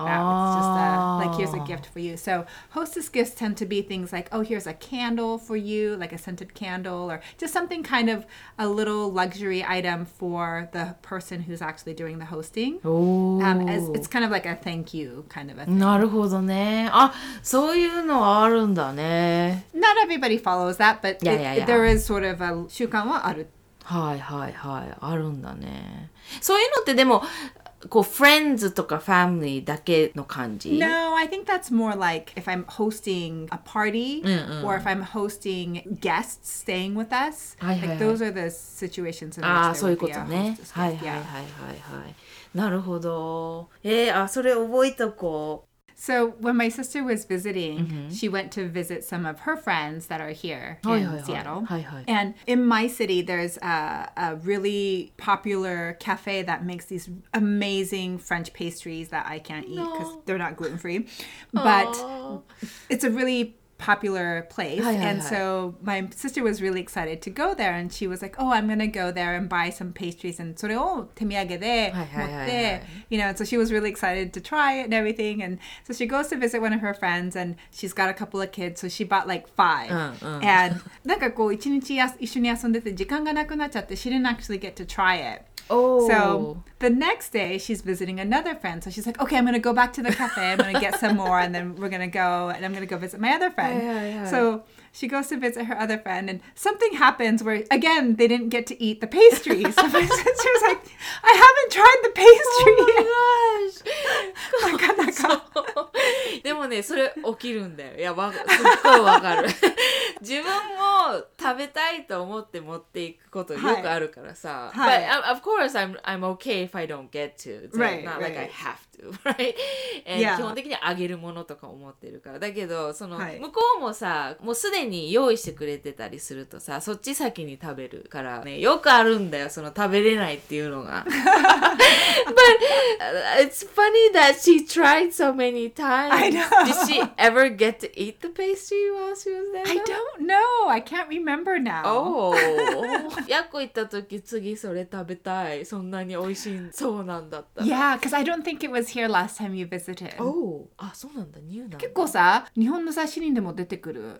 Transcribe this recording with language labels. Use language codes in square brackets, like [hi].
[en] It's just like, here's a gift for you. So hostess gifts tend to be things like, oh, here's a candle for you, like a scented candle, or just something kind of a little luxury item for the person who's actually doing the hosting. It's kind of like a thank you kind of a thing. [ja] なるほどね。あ、そういうのあるんだね。 [en] Not everybody follows that, but there is sort of a [ja] 習慣はある。はいはいはい。あるんだね。そういうのってでも、こう、friends とか family だけの感じ? [en] No, I think that's more like if I'm hosting a party or if I'm hosting guests staying with us. [ja] はいはい、はい、 [en] like those are the situations in which there would be a hostess gift. [ja] はいはいはいはい、はい、なるほど。あ、それ覚えとこう。 [en] So when my sister was visiting, she went to visit some of her friends that are here in Seattle. And in my city, there's a really popular cafe that makes these amazing French pastries that I can't eat because they're not gluten-free. But it's a really popular place. So my sister was really excited to go there, and she was like, oh, I'm gonna go there and buy some pastries, and [ja] それを手土産で持って, [en] you know, and so she was really excited to try it and everything. And so she goes to visit one of her friends, and she's got a couple of kids, so she bought like five. And [ja] なんかこう一日一緒に遊んでて時間がなくなっちゃって, [en] she didn't actually get to try it. So the next day she's visiting another friend, so she's like, okay, I'm gonna go back to the cafe, I'm gonna get some more, and then we're gonna go and I'm gonna go visit my other friend. So she goes to visit her other friend, and something happens where again they didn't get to eat the pastry. So my sister was like, I haven't tried the pastry yet. Oh my gosh. [ja] なかなか。でもね、それ起きるんだよ。いや、すっごいわかる。自分も食べたいと思って持っていくことよくあるからさ。 [en] But of course, I'm okay if I don't get to. So right, not right. like I have to, right? [ja] And 基本的にあげるものとか思ってるから。だけど、その向こうもさ、もうすでに用意してくれてたりするとさ、そっち先に食べるからね、よくあるんだよ、その食べれないっていうのが。 [en] But it's funny that she tried so many times. I know. Did she ever get to eat the pastry while she was there? I don't know. I can't remember now. Oh. [ja] ヤコ行った時、次それ食べたい。そんなに美味しいそうなんだった。 [en] Yeah, because I don't think it was here last time you visited. [ja] Oh. あ、そうなんだ。ニューなんだ。結構さ、日本の雑誌にでも出てくる。